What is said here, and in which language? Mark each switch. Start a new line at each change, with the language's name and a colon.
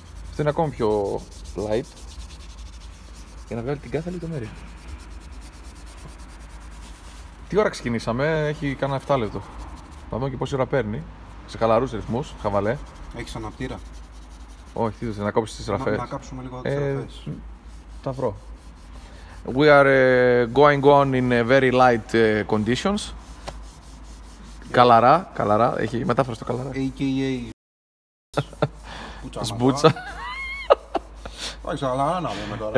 Greek: Αυτό είναι ακόμα πιο light. Για να βγάλει την κάθε λεπτομέρεια. Τι ώρα ξεκινήσαμε, έχει κάνα 7 λεπτό. Να δούμε και πόση ώρα παίρνει. Σε καλαρούς ρυθμούς, χαβαλέ. Έχει αναπτήρα. Όχι, τι θέλετε, να κόψεις τις ραφές. Να κάψουμε λίγο τις ραφές. Τα βρω.
English: We are going on in very light conditions. Yeah.
Greek: Καλαρά. Έχει μετάφραση το καλαρά.
English: A.K.A.
Greek: Σμπούτσα. Πάει καλαρά να πούμε τώρα.